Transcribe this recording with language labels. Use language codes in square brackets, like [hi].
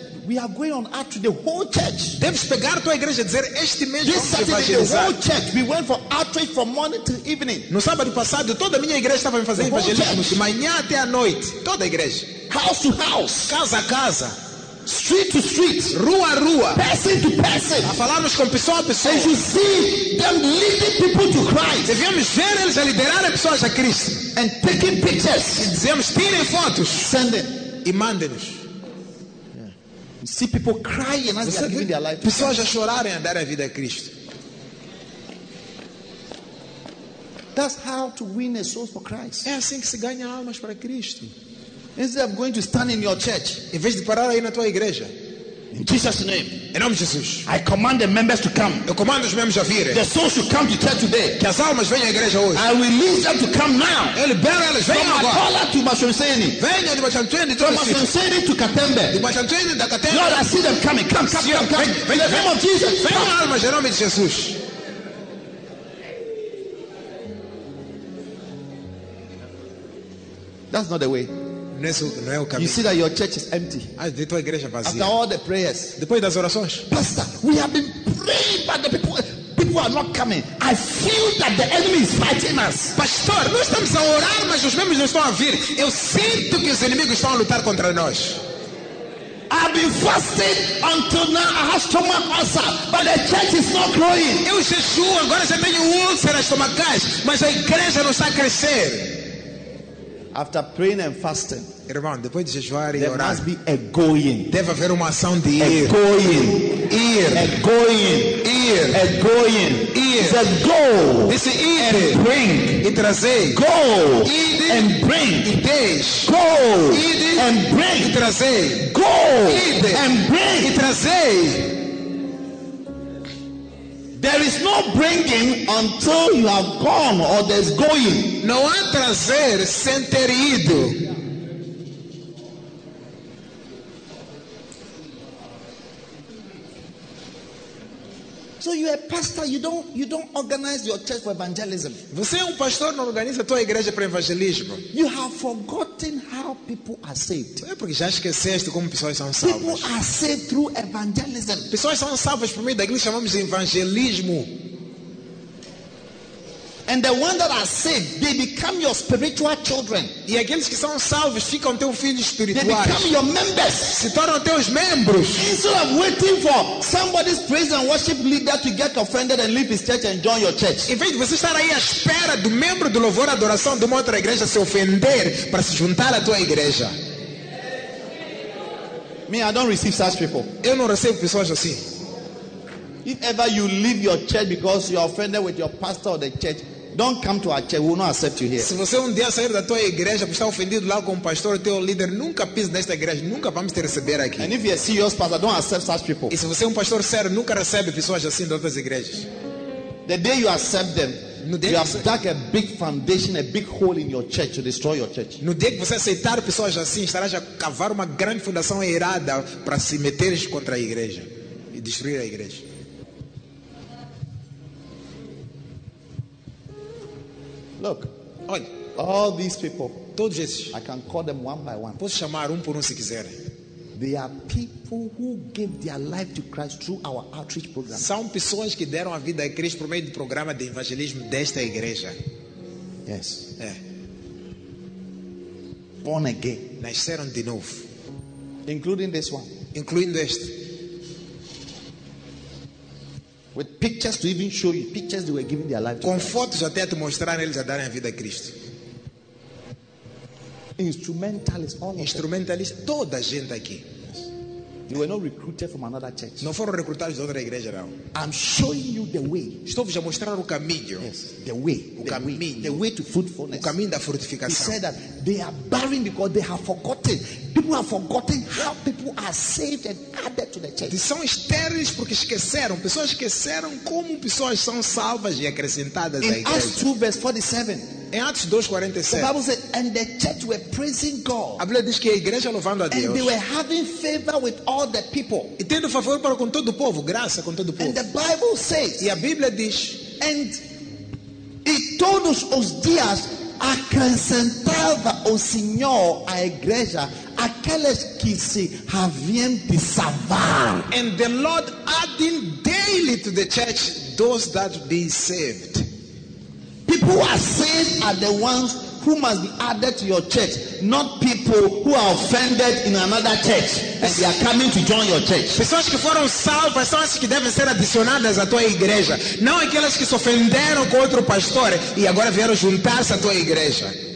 [en] We are going on out to the whole church. [pt] Deves pegar tua igreja e dizer este mês vamos evangelizar. [en] The whole church. We went for outreach from morning to evening. [pt] No sábado passado toda a minha igreja estava a fazer evangelismo de manhã até à noite. Toda a igreja. [en] House to house. [pt] Casa a casa. [en] Street to street. [pt] Rua a rua. [en] Person to person. [pt] A falarmos com pessoa a pessoa. [en] As you see them leading people to Christ. [pt] Devemos ver eles a liderar pessoas a Cristo. [en] And taking pictures. [pt] E dizemos tirem fotos. [en] Send it. [pt] E mandem-nos. [en] See people crying as they are giving their life. [pt] Pessoas já choraram em dar a vida a Cristo. [en] That's how to win a soul for Christ. [pt] É assim que se ganha almas para Cristo. [en] Instead of going to stand in your church, [pt] em vez de parar aí na tua igreja. [en] In Jesus' name. [pt] Em nome de Jesus. [en] I command the members to come. [pt] Eu comando os membros a virem. [en] The souls should come to church today. [pt] Que as almas venham à igreja hoje. [en] I release them to come now. [pt] Eu libero elas. Venham agora. [en] From Akola to Mashonseni. [pt] Venham de Mashonseni. [en] From Mashonseni to Katembe. [pt] De Mashonseni da Katembe. [en] Lord, I see them coming. Come, come, come, come. [pt] Venham. [en] In the name of Jesus. [pt] Venham almas em nome de Jesus. [en] That's not the way. [pt] Não é o caminho. [en] You see that your church is empty. [pt] De tua igreja vazia. [en] After all the prayers. [pt] Depois das orações. [en] Pastor, we have been praying, but the people are not coming. I feel that the enemy is fighting us. [pt] Pastor, nós estamos a orar, mas os membros não estão a vir. Eu sinto que os inimigos estão a lutar contra nós. [en] I've been fasting until now. I have stomach ulcer, but the church is not growing. [pt] Eu jejuo, agora já tenho úlceras estomacais, mas a igreja não está a crescer. [en] After praying and fasting, [pt] irmão, depois de jejuar e [en] there [pt] orar, [en] must be a going. [pt] Deve haver uma ação de ir. [en] A going. [pt] Ir. [en] A going. [pt] Ir. [en] A going. [pt] Ir. [en] It's a go. This is ir. And bring. [pt] E trazer. [en] Go. [pt] Ir. [en] And bring. [pt] E deixe. [en] Go. [pt] Ir. [en] And bring. [pt] E trazer. [en] Go. [pt] Ir. [en] And bring. [pt] E trazer. [en] There is no bringing until you have gone or there's going. [pt] Não há trazer sem ter ido. [en] So you're a pastor, you don't organize your church for evangelism. [pt] Você é pastor, não organiza tua igreja para evangelismo. [en] You have forgotten how people are saved. [pt] É porque já esqueceste como pessoas são salvas. [en] People are saved through evangelism. [pt] Pessoas são salvas por meio daquilo que chamamos de evangelismo. [en] And the ones that are saved, they become your spiritual children. [pt] E aqueles que são salvos ficam teus filhos espirituais. [en] They become your members. [pt] Se tornam teus membros. [en] Instead of waiting for somebody's praise and worship leader to get offended and leave his church and join your church. [pt] Em vez de você estar aí à espera do membro do louvor e adoração de uma outra igreja se ofender para se juntar à tua igreja. [en] Me, I don't receive such people. [pt] Eu não recebo pessoas assim. [en] If ever you leave your church because you are offended with your pastor or the church, don't come to our church. We will not accept you here. [pt] Se você dia sair da tua igreja por estar ofendido lá com o pastor ou teu líder, nunca pise nesta igreja. Nunca vamos te receber aqui. [en] And if you are serious pastor, don't accept such people. [pt] E se você pastor sério, nunca recebe pessoas assim de outras igrejas. [en] The day you accept them, you have dug a big foundation, a big hole in your church to destroy your church. [pt] No dia que você aceitar pessoas assim, estarás a cavar uma grande fundação errada para se meteres contra a igreja e destruir a igreja. [en] Look, [pt] olha, [en] all these people, [pt] todos esses, [en] I can call them one by one. [pt] Posso chamar por se quiser. [en] They are people who gave their life to Christ through our outreach program. [pt] São pessoas que deram a vida a Cristo por meio do programa de evangelismo desta igreja. [en] Yes. [pt] É. [en] Born again. [pt] Nasceram de novo. [en] Including this one. [pt] Incluindo este. [en] With pictures to even show you, pictures they were giving their life to. [pt] Com fotos até te mostrar eles a darem a vida a Cristo. [en] Instrumentalists, all [pt] instrumentalists, toda a gente aqui. [en] Yes. You were not recruited from another church. [pt] Não foram recrutados de outra igreja, não. [en] I'm showing you the way. [pt] Estou a mostrar o caminho. [en] Yes, the way. [pt] O caminho. [en] Way. The way to fruitfulness. [pt] O caminho da frutificação. [en] He said that they are barren because they have forgotten. People have forgotten how people are saved and added to the church. [pt] Eles são estéreis porque esqueceram. Pessoas esqueceram como pessoas são salvas e acrescentadas [en] in [pt] à igreja. [en] In Acts 2 verse 47. [pt] Em Atos 2:47. [en] The Bible says, and the church were praising God. [pt] A Bíblia diz que a igreja louvando a Deus. [en] And they were having favor with all the people. [pt] E tendo favor para com todo o povo, graça com todo o povo. [en] And the Bible says. [pt] E a Bíblia diz. And e todos os dias acrescentava o Senhor à igreja aqueles que se haviam de salvar. [en] And the Lord adding daily to the church those that being saved. People who are saved are the ones who must be added to your church, not people who are offended in another church and they are coming to join your church. [pt] Pessoas que foram salvas são as que devem ser adicionadas à tua igreja, não aquelas que se ofenderam com outro pastor e agora vieram juntar-se à tua igreja.